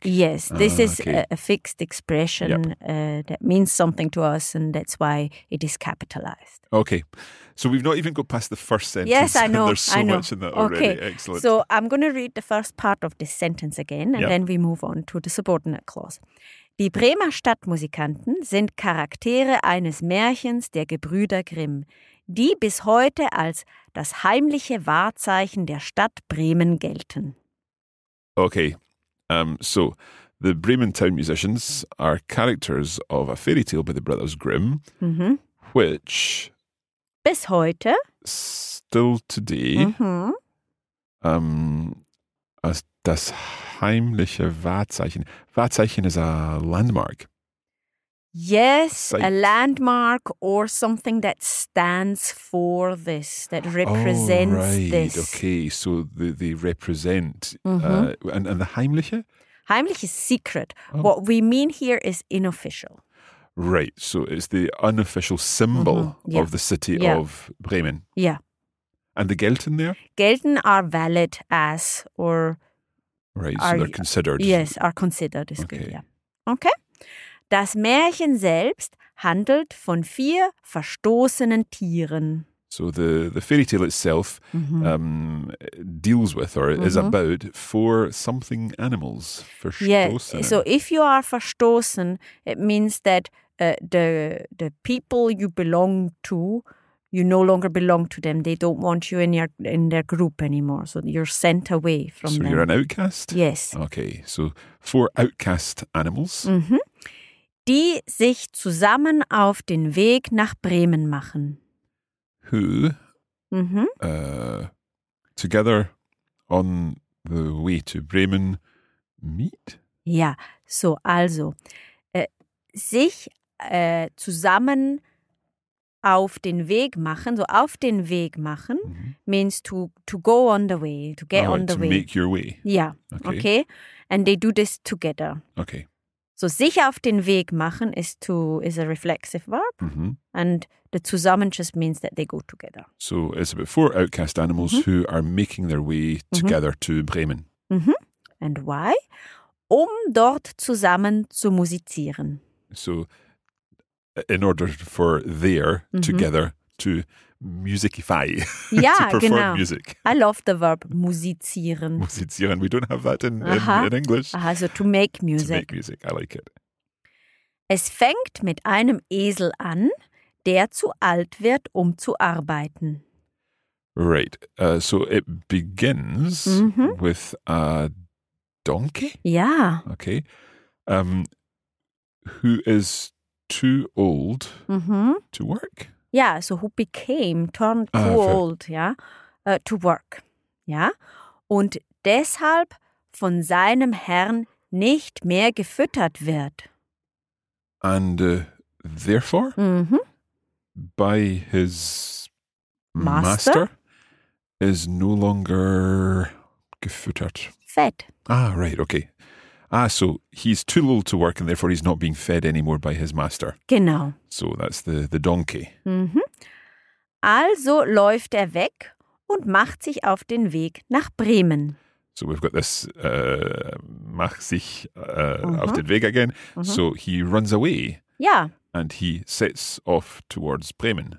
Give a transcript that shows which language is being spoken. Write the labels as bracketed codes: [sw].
[en] Yes, this is okay. a fixed expression yep. That means something to us, and that's why it is capitalized. Okay, so we've not even got past the first sentence. Yes, I know. There's so I know. Much in that already. Okay. Excellent. So I'm going to read the first part of this sentence again, and yep. then we move on to the subordinate clause. [de] Die Bremer Stadtmusikanten sind Charaktere eines Märchens der Gebrüder Grimm, die bis heute als das heimliche Wahrzeichen der Stadt Bremen gelten. [en] Okay, so the Bremen town musicians are characters of a fairy tale by the Brothers Grimm, mm-hmm. which [de] bis heute [en] still today mm-hmm. As [de] das heimliche Wahrzeichen. [en] Wahrzeichen is a landmark. Yes, site. A landmark or something that stands for this, that represents oh, right. this. Okay, so they represent. Mm-hmm. And the heimliche? Heimlich is secret. Oh. What we mean here is unofficial. Right, so it's the unofficial symbol mm-hmm. yeah. of the city yeah. of Bremen. Yeah. And the gelten there? Gelten are valid as or... Right, are, so they're considered. Yes, are considered is okay. good, yeah. Okay. [de] Das Märchen selbst handelt von vier verstoßenen Tieren. [en] So the fairy tale itself mm-hmm. Deals with or mm-hmm. is about four something animals. [de] Verstoßen. [en] Yeah. So if you are verstoßen, it means that the people you belong to, you no longer belong to them. They don't want you in their group anymore. So you're sent away from so them. So you're an outcast? Yes. Okay, so four outcast animals. Mm-hmm. [de] Die sich zusammen auf den Weg nach Bremen machen. [en] Who? Mm-hmm. Together on the way to Bremen meet? [de] Ja, so, also. Sich zusammen auf den Weg machen. So, auf den Weg machen mm-hmm. [en] means to go on the way, to get oh, on the to way. To make your way. [de] Ja, [en] okay. okay. And they do this together. Okay. So, [de] sich auf den Weg machen [en] is a reflexive verb. Mm-hmm. And the zusammen just means that they go together. So, it's about four outcast animals mm-hmm. who are making their way together mm-hmm. to Bremen. Mm-hmm. And why? [de] Um dort zusammen zu musizieren. [en] So, in order for there, mm-hmm. together, to musicify, [de] ja, [en] to perform [de] genau. [en] music. I love the verb musizieren. Musizieren, we don't have that in English. Aha, so to make music. To make music, I like it. [de] Es fängt mit einem Esel an, der zu alt wird, um zu arbeiten. [en] Right, so it begins mm-hmm. with a donkey? [de] Ja. [en] Okay. Who is too old mm-hmm. to work? Yeah, so who became, turned too old, yeah, to work, yeah. [de] Und deshalb von seinem Herrn nicht mehr gefüttert wird. [en] And therefore, mm-hmm. by his master, is no longer gefüttert. Fed. Ah, right, okay. Ah, so he's too old to work and therefore he's not being fed anymore by his master. [de] Genau. [en] So that's the donkey. Mhm. [de] Also läuft weg und macht sich auf den Weg nach Bremen. [en] So we've got this, [de] macht sich [en] mhm. [de] auf den Weg [en] again. Mhm. So he runs away. [de] Ja. [en] And he sets off towards Bremen.